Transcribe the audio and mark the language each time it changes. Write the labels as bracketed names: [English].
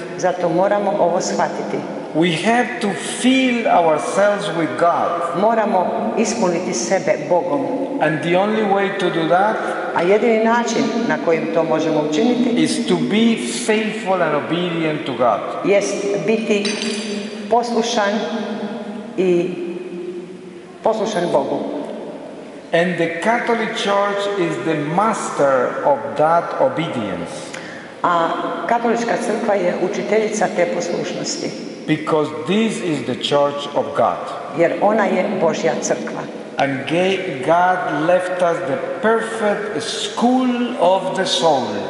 [Croatian] Zato moramo ovo shvatiti. [English] We have to fill ourselves with God. [Croatian] Moramo ispuniti sebe Bogom. [English] And the only way to do that, [Croatian] a jedini način na kojim to možemo učiniti, [English] is to be faithful and obedient to God. [Croatian] Jest biti poslušan i poslušan Bogu. [English] And the Catholic Church is the master of that obedience. [Croatian] A katolička crkva je učiteljica te poslušnosti. [English] Because this is the church of God. [Croatian] Jer ona je Božja crkva. [English] And God left us the perfect school of the soul.